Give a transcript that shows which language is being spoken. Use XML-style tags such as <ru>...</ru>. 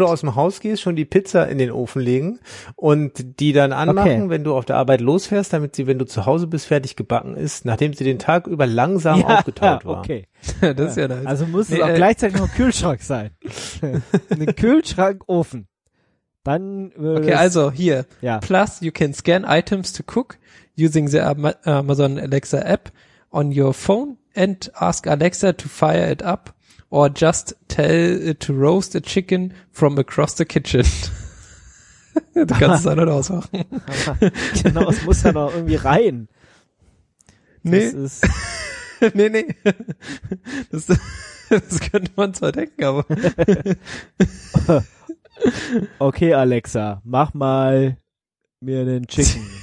<de>du aus dem Haus gehst, schon die Pizza in den Ofen legen und die dann anmachen, okay, wenn du auf der Arbeit losfährst, damit sie, wenn du zu Hause bist, fertig gebacken ist, nachdem sie den Tag über langsam aufgetaut war. Okay. Das ist ja nice. Also muss es auch gleichzeitig noch ein Kühlschrank sein. Ein Kühlschrankofen. Dann okay, also hier. Ja.</de> <en>Plus, you can scan items to cook using the Amazon Alexa app on your phone and ask Alexa to fire it up. Or just tell it to roast a chicken from across the kitchen.</en> <de>Du kannst es ein- oder ausmachen. Genau, es muss ja noch irgendwie rein. Nee. Das ist nee. Das könnte man zwar denken, aber. Okay, Alexa, mach mal mir einen Chicken.</de>